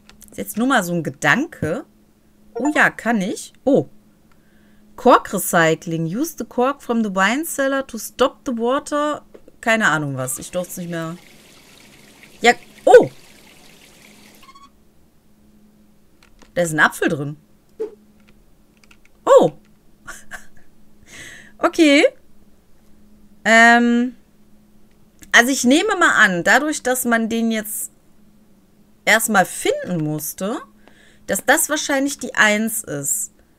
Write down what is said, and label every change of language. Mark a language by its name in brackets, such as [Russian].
[German] Ist jetzt nur mal so ein Gedanke. Oh ja, kann ich. Oh. Kork Recycling. [English] Use the cork from the wine cellar to stop the water. [German] Keine Ahnung was. Ich durfte es nicht mehr. Ja. Oh. Da ist ein Apfel drin. Oh. Okay. Also ich nehme mal an, dadurch, dass man den jetzt erstmal finden musste, dass das wahrscheinlich die Eins ist.